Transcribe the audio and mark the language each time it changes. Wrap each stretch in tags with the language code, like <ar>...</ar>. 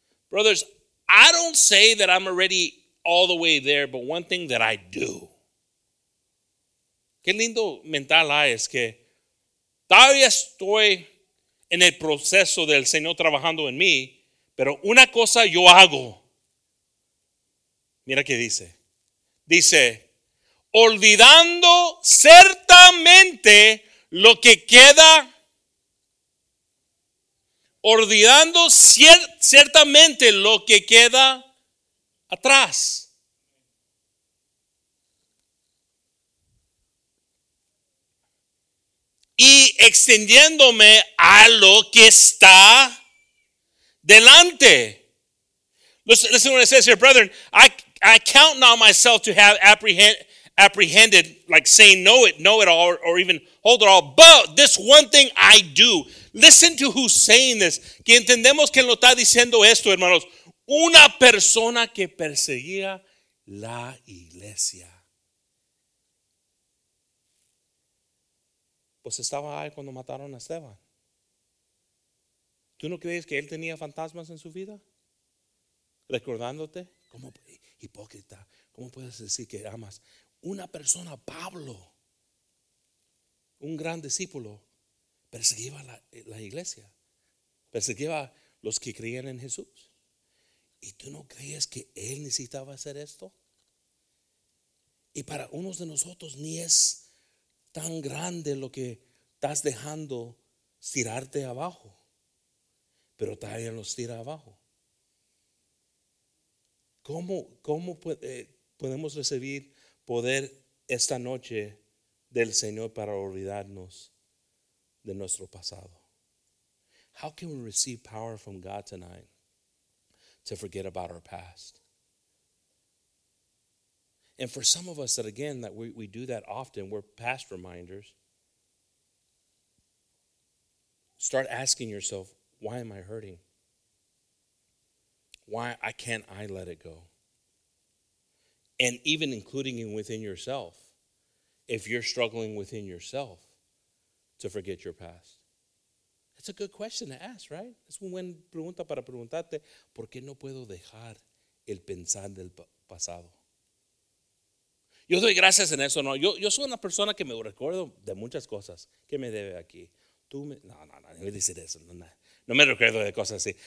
<en>Brothers, I don't say that I'm already all the way there, but one thing that I do.</en> <es>Qué lindo mental hay, es que todavía estoy en el proceso del Señor trabajando en mí, pero una cosa yo hago. Mira qué dice. Dice, olvidando ciertamente lo que queda, olvidando ciertamente lo que queda atrás. Y extendiéndome a lo que está delante.</es> <en>Listen to what it says here, brethren. I count not myself to have apprehended, like saying know it all or even hold it all. But this one thing I do. Listen to who's saying this.</en> <es>Que entendemos que lo está diciendo esto, hermanos. Una persona que perseguía la iglesia. Pues estaba ahí cuando mataron a Esteban. ¿Tú no crees que él tenía fantasmas en su vida? Recordándote, ¿cómo, hipócrita, cómo puedes decir que amas? Una persona, Pablo, un gran discípulo, perseguía la iglesia, perseguía los que creían en Jesús. ¿Y tú no crees que Él necesitaba hacer esto? Y para unos de nosotros ni es tan grande lo que estás dejando tirarte abajo, pero todavía nos tira abajo. ¿Cómo podemos recibir poder esta noche del Señor para olvidarnos de nuestro pasado?</es> <en>How can we receive power from God tonight to forget about our past? And for some of us, that again, that we do that often, we're past reminders. Start asking yourself, why am I hurting? Why can't I let it go? And even including it within yourself, if you're struggling within yourself to forget your past. That's a good question to ask, right?</en> <es>Es una buena pregunta para preguntarte, ¿por qué no puedo dejar el pensar del pasado? Yo doy gracias en eso, ¿no? Yo soy una persona que me recuerdo de muchas cosas. ¿Qué me debe aquí? No me dice eso. No me recuerdo de cosas así.</es>